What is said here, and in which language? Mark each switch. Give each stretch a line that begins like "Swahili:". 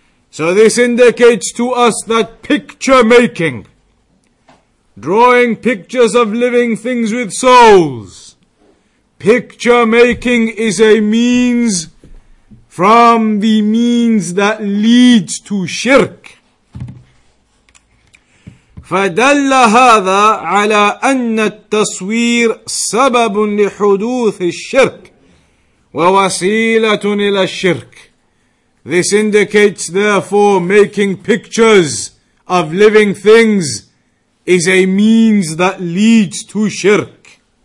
English: So this indicates to us that picture making, drawing pictures of living things with souls, picture making is a means from the means that leads to shirk.
Arabic: فدل هذا على أن التصوير سبب لحدوث الشرك ووسيلة إلى الشرك.
English: This indicates, therefore, making pictures of living things is a means that leads to shirk.